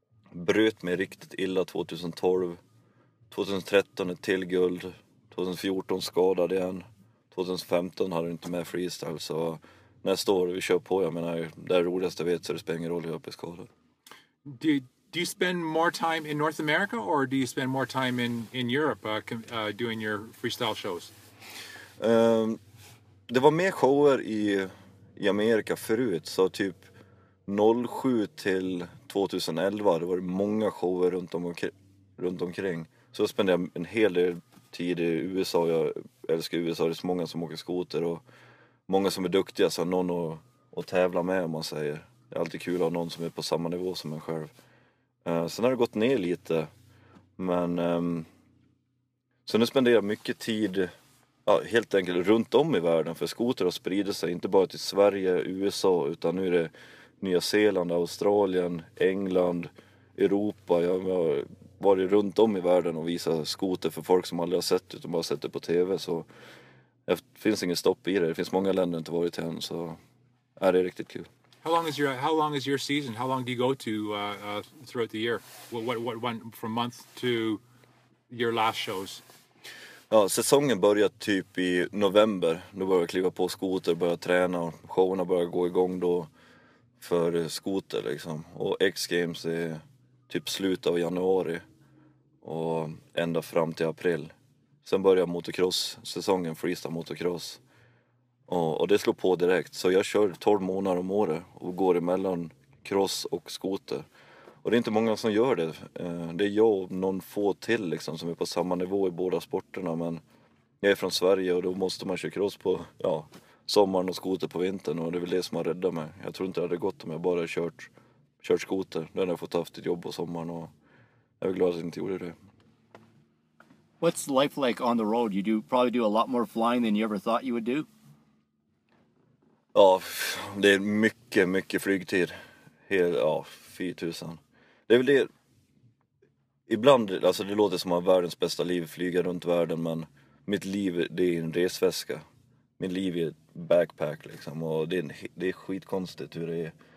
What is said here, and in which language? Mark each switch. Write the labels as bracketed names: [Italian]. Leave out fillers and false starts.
[Swedish] Bröt mig riktigt illa 2012. 2013 ett till guld. 2014 skadade igen. 2015 hade jag inte med freestyle. Så nästa år, vi kör på. Jag menar, det roligaste jag vet så det spelar ingen roll hur jag blir skadad. [English] Dude. Do you spend more time in North America, or do you spend more time in Europe doing your freestyle shows? [Swedish] Det var mer shower i Amerika förut, så typ 07 till 2011, det var många shower runt omkring. Så spenderade jag en hel del tid i USA, och jag älskar USA, det är så många som åker skoter och många som är duktiga, så någon att tävla med, om man säger. Det är alltid kul att ha någon som är på samma nivå som en själv. Sen har det gått ner lite, men så nu spenderar jag mycket tid helt enkelt runt om i världen, för skoter har spridit sig inte bara till Sverige, USA, utan nu är det Nya Zeeland, Australien, England, Europa. Jag har varit runt om i världen och visat skoter för folk som aldrig har sett utan bara sett det på TV, så det finns ingen stopp i det. Det finns många länder inte varit än, så är det riktigt kul. [English] How long is your season? How long do you go to throughout the year? What went from month to your last shows? [Swedish] Ja, säsongen börjar typ i november. Då börjar jag kliva på skoter, börjar träna och showerna börjar gå igång då för skoter liksom. Och X Games är typ slut av januari och ända fram till april. Sen börjar motocross-säsongen, freestyle motocross. Och det slår på direkt. Så jag kör 12 månader om året och går emellan cross och skoter. Och det är inte många som gör det. Det är jag och någon få till liksom, som är på samma nivå i båda sporterna. Men jag är från Sverige och då måste man köra cross på sommaren och skoter på vintern. Och det är väl det som har räddat mig. Jag tror inte det hade gått om jag bara kört skoter. Då hade jag fått haft ett jobb på sommaren. Och jag är glad att jag inte gjorde det. [English] What's life like on the road? You probably do a lot more flying than you ever thought you would do. [Swedish] Ja, det är mycket, mycket flygtid. Ja, 4000. Det är väl det. Ibland, alltså det låter som att världens bästa liv flyger runt världen, men mitt liv, det är en resväska. Mitt liv är ett backpack liksom, och det är skitkonstigt hur det är.